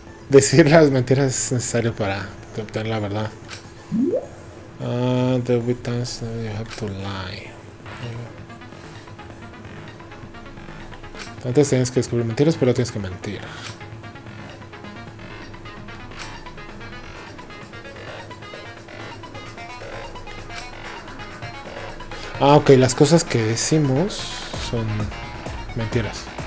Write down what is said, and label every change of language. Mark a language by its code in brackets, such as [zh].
[es] Decir las mentiras es necesario para obtener la verdad. [en] There will be times that you have to lie. [es] Antes tienes que descubrir mentiras, pero tienes que mentir. Ah, ok, las cosas que decimos son mentiras.